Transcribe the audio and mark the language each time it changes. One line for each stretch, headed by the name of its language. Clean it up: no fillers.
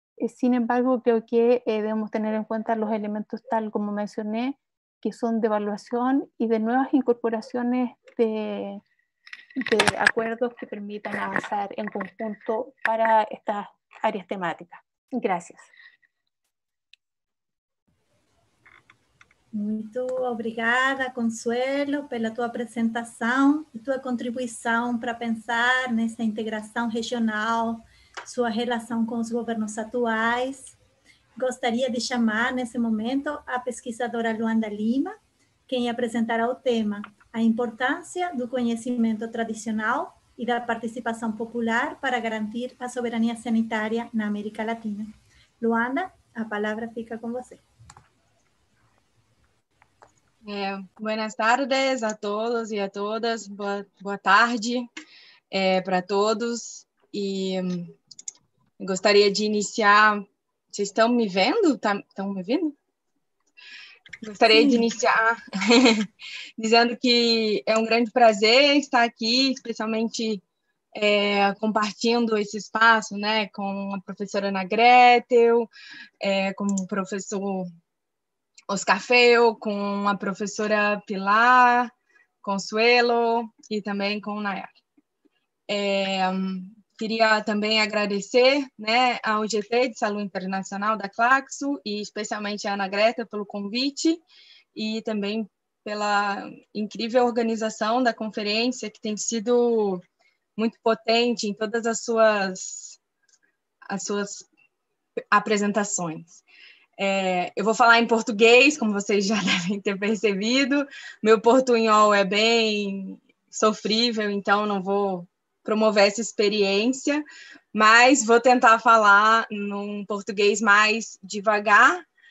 Spanish: Sin embargo, creo que debemos tener en cuenta los elementos, tal como mencioné, que son de evaluación y de nuevas incorporaciones de acuerdos que permitan avanzar en conjunto para estas áreas temáticas. Gracias.
Portuguese: Muito obrigada, Consuelo, pela tua apresentação e tua contribuição para pensar nessa integração regional, sua relação com os governos atuais. Gostaria de chamar nesse momento a pesquisadora Luanda Lima, quem apresentará o tema A Importância do Conhecimento Tradicional e da Participação Popular para Garantir a Soberania Sanitária na América Latina. Luanda, a palavra fica com você.
Spanish: Buenas tardes a todos
Portuguese: e a todas, boa tarde para todos, e gostaria de iniciar, vocês estão me vendo? Estão me ouvindo? Gostaria Sim. de iniciar dizendo que é um grande prazer estar aqui, especialmente
Spanish: compartiendo ese espacio, ¿no? Con la profesora Ana Gretel, con el profesor Oscar Feo, con la profesora Pilar Consuelo y también con Nayar. Quería también agradecer, ¿no?, a UGT de Salud Internacional de Claxo y especialmente a Ana Greta por el convite y también por la increíble organización de la conferencia que ha sido muy potente en todas sus presentaciones.
Portuguese: Eu vou falar em português, como vocês já devem ter percebido. Meu portunhol é bem sofrível, então não vou promover essa experiência, mas vou tentar falar num português mais devagar.